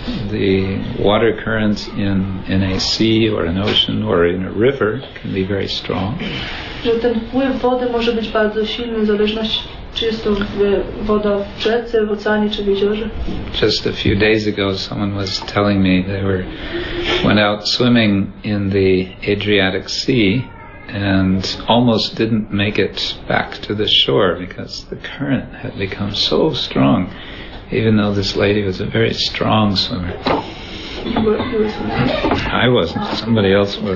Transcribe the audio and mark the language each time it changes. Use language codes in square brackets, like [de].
[en] The water currents in a sea or an ocean or in a river can be very strong. [pl] Że ten wpływ wody może być bardzo silny, w zależności czy jest to woda w rzece, w oceanie czy w jeziorze. [en] Just a few days ago someone was telling me they went out swimming in the Adriatic Sea and almost didn't make it back to the shore because the current had become so strong. Even though this lady was a very strong swimmer. I wasn't, somebody else was.